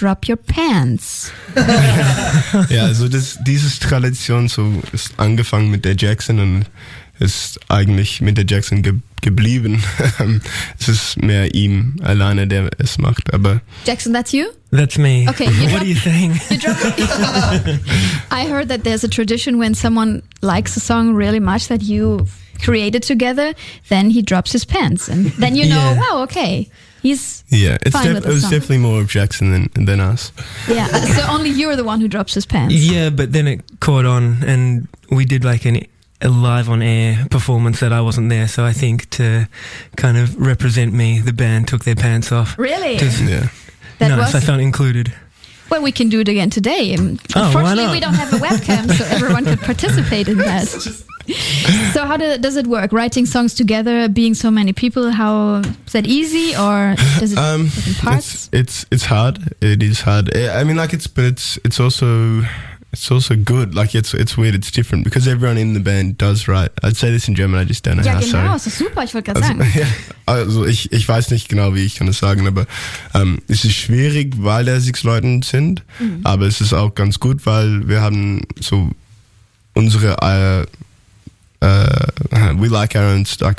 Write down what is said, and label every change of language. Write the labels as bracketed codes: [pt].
[en] Drop your pants. [de] Ja, also dieses Tradition so ist angefangen mit der Jackson und ist eigentlich mit der Jackson geblieben. Es ist mehr ihm alleine, der es macht, aber [en] Jackson, that's you? That's me. Okay. What are you saying? I heard that there's a tradition when someone likes a song really much that you created together, then he drops his pants and then you know, wow, okay. It was definitely more of Jackson than us. Yeah, so only you're the one who drops his pants. Yeah, but then it caught on and we did like an a live on air performance that I wasn't there. So I think to kind of represent me, the band took their pants off. Really? Just, yeah. Nice. I felt included. Well, we can do it again today. Unfortunately, we don't have a webcam, so everyone could participate in that. So how does it work? Writing songs together, being so many people, how is that easy or does it work in parts? It's hard. It is hard. I mean, like, it's also good. Like, it's weird. It's different because everyone in the band does write. I'd say this in German. I just don't know how. [de] Ja, genau. So super. Ich wollte gerade sagen. Also ich weiß nicht genau, wie ich kann das sagen, aber es ist schwierig, weil da 6 Leute sind. Mhm. Aber es ist auch ganz gut, weil wir haben so unsere [en] we like our own stuff.